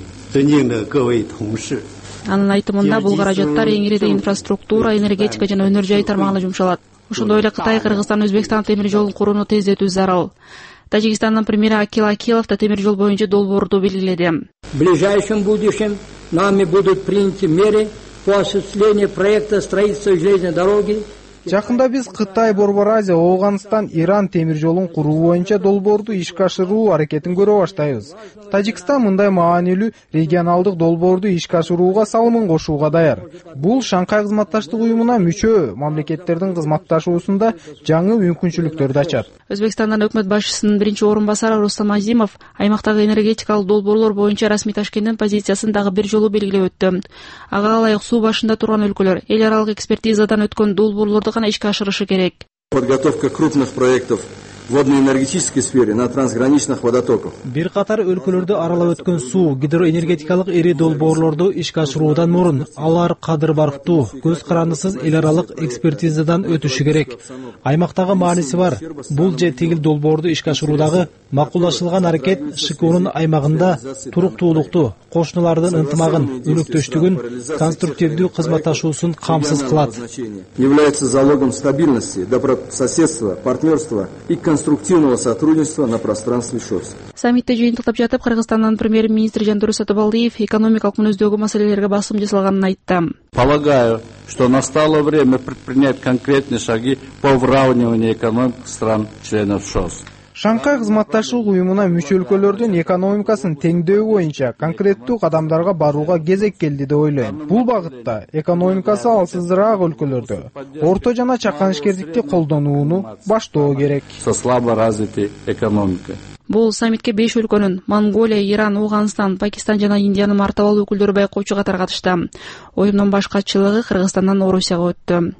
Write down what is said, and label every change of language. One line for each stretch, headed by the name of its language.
Kyrgyz: Анын айтымында бул каражаттар эң ири инфраструктура, энергетика жана өнөр жай тармагына жумшалат. Ошондой эле Кытай, Кыргызстан, Өзбекстан темир жолун курууну тездетүү зарыл. Тажикстандын премьери Акил Акилов да темир жол боюнча долбоорду белгиледи.
Russian: В ближайшем будущем нами будут приняты меры по осуществлению проекта строительства железной дороги.
Kyrgyz: Жакында биз Кытай, Борбор Азия, Ооганстан, Иран темир жолун куруу боюнча долбоорду ишке ашыруу аракетин көрө баштайбыз. Тажикстан мындай маанилүү регионалдык долбоорду ишке ашырууга салымын кошууга даяр. Бул Шанхай кызматташтык уюмуна мүчө мамлекеттердин кызматташуусунда жаңы мүмкүнчүлүктөрдү ачат. Өзбекстандын өкмөт башчысынын биринчи орун басары Рустам Азимов аймактагы энергетикалык долбоорлор боюнча расмий Ташкенттин позициясын дагы бир жолу белгилеп өттү. Ага ылайык суу башында турган өлкөлөр эл аралык экспертизадан өткөн долбоорлор ишке ашырышы керек.
Russian: Подготовка крупных проектов в водно-энергетической сфере на трансграничных водотоках.
Kyrgyz: Бир катар өлкөлөрдү аралап өткөн суу, гидроэнергетикалык ири долбоорлорду ишке ашыруудан мурун алар кадырбарктуу, көз карандысыз эл аралык экспертизадан өтүшү керек. Аймактагы мааниси бар бул же тигил долбоорду ишке ашыруудагы макулдашылган аракет ШКУ-нун аймагында туруктуулукту, кошуналардын ынтымагын, өнөктөштүгүн, конструктивдүү кызматташуусун камсыз кылат.
Russian: Является залогом стабильности, добрососедства, партнерства и конструктивного сотрудничества на пространстве ШОС.
Kyrgyz: Саммитте жыйынтыктап жатып, Кыргызстандын премьер-министри Жандарбек Сатыбалдиев экономикалык мүнөздөгү маселелерге басым жасалганын айтты.
Russian: Полагаю, что настало время предпринять конкретные шаги по выравниванию экономик стран-членов ШОС.
Kyrgyz: Шанхай кызматташуу уюмуна мүчө өлкөлөрдүн экономикасын теңдөө боюнча конкреттүү кадамдарга барууга кезек келди деп ойлойм. Бул багытта экономикасы алсызыраак өлкөлөрдө орто жана чакан ишкердикти колдонууну баштоо керек.
Russian: Со слабо развитой экономикой.
Kyrgyz: Бул саммитке 5 өлкөнүн Монголия, Иран, Ооганстан, Пакистан жана Индиянын мартабалуу өкүлдөрү байкоочу катары катышты. Уюмдун баш катчылыгы Кыргызстандан Орусияга өттү.